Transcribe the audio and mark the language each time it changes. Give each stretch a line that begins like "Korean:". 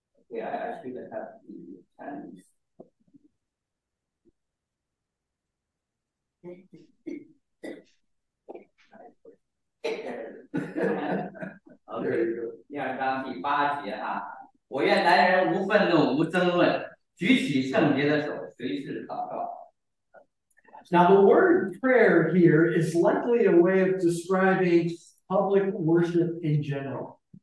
English: Yeah, I should have the Chinese.
Chinese: OK，第二章第八节我愿男人无愤怒、无争论，举起圣洁的手，随时祷告。
English: Now, the word prayer here is likely a way of describing public worship in general.